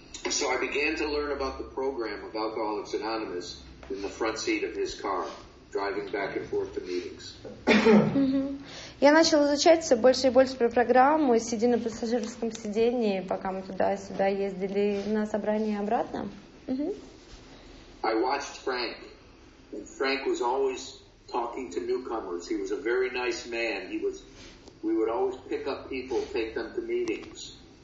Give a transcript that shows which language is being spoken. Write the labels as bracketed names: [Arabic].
[English] So I began to learn about the program of Alcoholics Anonymous in the front seat of his car, driving back and forth to meetings. [Russian] Я начал изучать все больше и больше про программу, сидя на пассажирском сиденье, пока мы туда-сюда ездили на собрание обратно. [English] I watched Frank, and Frank was always talking to newcomers. He was a very nice man. We would always pick up people, take them to meetings.